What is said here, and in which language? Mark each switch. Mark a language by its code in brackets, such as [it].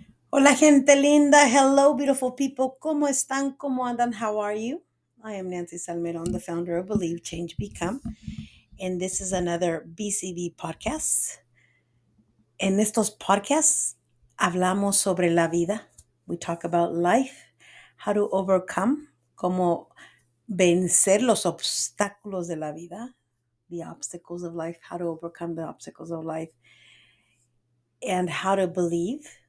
[es] Hola gente linda, [en] hello beautiful people, [es] ¿cómo están? ¿Cómo andan? [en] How are you? I am Nancy Salmerón, the founder of Believe, Change, Become, and this is another BCB podcast. [es] En estos podcasts hablamos sobre la vida. [en] We talk about life, how to overcome, [es] cómo vencer los obstáculos de la vida, [en] the obstacles of life, how to overcome the obstacles of life, and how to believe.